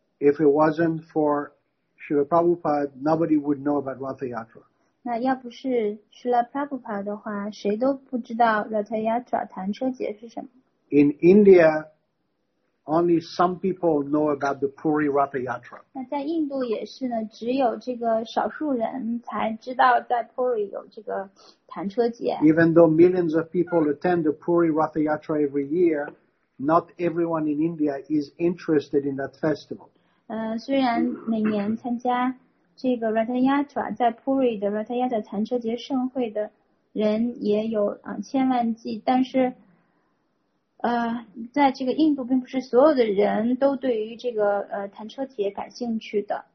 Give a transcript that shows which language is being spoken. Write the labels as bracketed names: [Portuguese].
[English] if it wasn't for Srila Prabhupada, nobody would know about Rathayatra. [Chinese] 那要不是 Srila Prabhupada 的话，谁都不知道 Rathayatra 弹车节是什么。 [English] In India, only some people know about the Puri Rathayatra. [Chinese] 那在印度也是呢，只有这个少数人才知道在 Puri 有这个弹车节。 [English] Even though millions of people attend the Puri Rathayatra every year, not everyone in India is interested in that festival. [Chinese] 虽然每年参加这个 Rathayatra 在 Puri 的 Rathayatra 弹车节盛会的人也有千万计，但是在这个印度并不是所有的人都对于这个弹车节感兴趣的。